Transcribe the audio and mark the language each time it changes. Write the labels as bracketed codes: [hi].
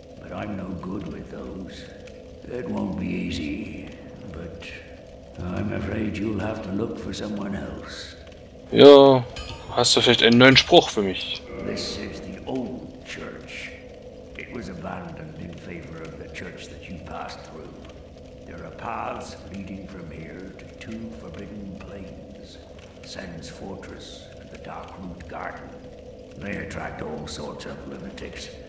[en] It won't be easy, but I'm afraid you'll have to look for someone else. [de] Ja, hast du vielleicht einen neuen Spruch für mich? [en] This is the old church. It was abandoned in favor of the church that you passed through. There are paths leading from here to two forbidden plains. Sen's Fortress and the Darkroot Garden. They attract all sorts of lunatics.